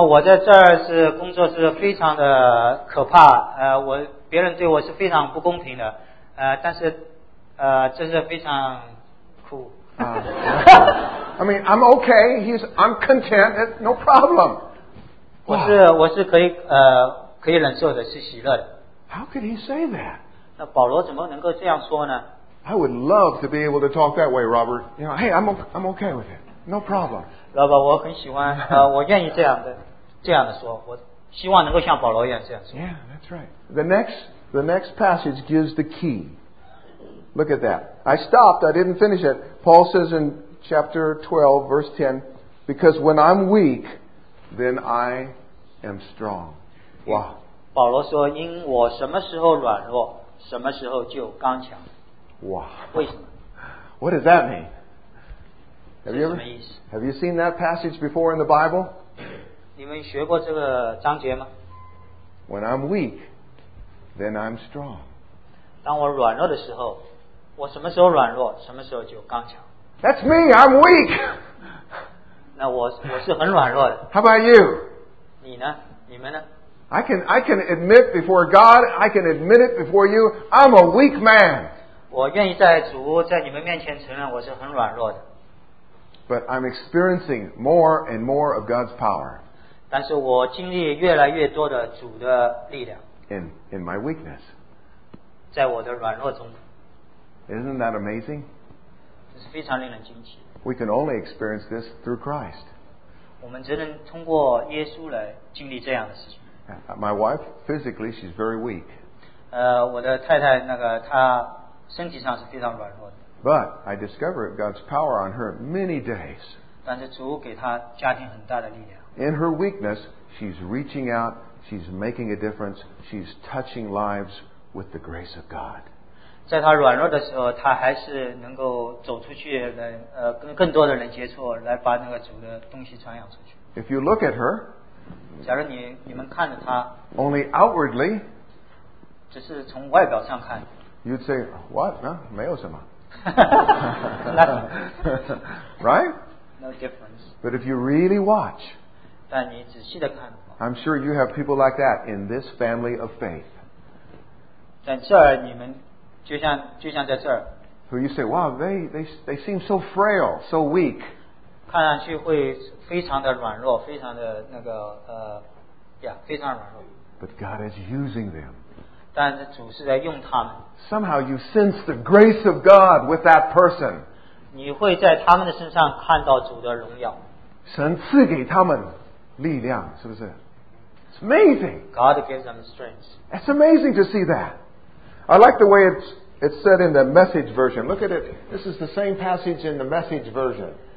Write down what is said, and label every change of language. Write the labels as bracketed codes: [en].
[zh] 我在这儿是工作是非常的可怕，别人对我是非常不公平的，但是这是非常苦。 [en] I mean, I'm okay. I'm content. No problem. [zh] 我是可以忍受的，是喜乐的。 [en] How could he say that? [zh] 那保罗怎么能够这样说呢？ [en] I would love to be able to talk that way, Robert. You know, hey, I'm okay with it. No problem. [zh] Robert, 我很喜欢，我愿意这样的说，我希望能够像保罗一样这样说。 [en] Yeah, that's right. The next passage gives the key. Look at that. I stopped. I didn't finish it. Paul says in chapter 12, verse 10, because when I'm weak, then I am strong. Wow. [zh] 保罗说，因我什么时候软弱，什么时候就刚强。 [en] Wow. [zh] 为什么？ [en] What does that mean? Have you seen that passage before in the Bible? [zh] 你们学过这个章节吗？ [en] When I'm weak, then I'm strong. [zh] 当我软弱的时候，我什么时候软弱，什么时候就刚强。 [en] That's me, I'm weak. [zh] 那我是很软弱的。 [en] How about you? [zh] 你呢？你们呢？ [en] I can admit before God, I can admit it before you, I'm a weak man. [zh] 我愿意在主在你们面前承认我是很软弱的。 [en] But I'm experiencing more and more of God's power. [zh] 但是我经历越来越多的主的力量。 [en] In my weakness. [zh] 在我的软弱中。 [en] Isn't that amazing? [zh] 这是非常令人惊奇。 [en] We can only experience this through Christ. [zh] 我们只能通过耶稣来经历这样的事情。 [en] My wife, physically, she's very weak. [zh] 我的太太那个她身体上是非常软弱的。 [en] But I discovered God's power on her many days. [zh] 但是主给她家庭很大的力量。 [en] In her weakness, she's reaching out, she's making a difference, she's touching lives with the grace of God. [zh] 在她软弱的时候，她还是能够走出去来，跟更多的人接触，来把那个主的东西传扬出去。 [en] If you look at her, [zh] 假如你们看着她 [en] ，only outwardly, [zh] 只是从外表上看。 [en] You'd say, what? No, [zh] 没有什么。 [en] Nothing. Right? No difference. But if you really watch, [zh] 但你仔细地看的话, [en] I'm sure you have people like that in this family of faith. [zh] 在这儿你们, 就像在这儿, [en] who you say, wow, they seem so frail, so weak. [zh] 看上去会非常的软弱, 非常的那个, yeah, 非常软弱. [en] But God is using them. [zh] 但是主是在用他们, [en] somehow you sense the grace of God with that person. [zh] 你会在他们的身上看到主的荣耀。神赐给他们力量, 是不是? [en] It's amazing. God gives them strength. It's amazing to see that. I like the way it's said in the Message version. Look at it. This is the same passage in the Message version.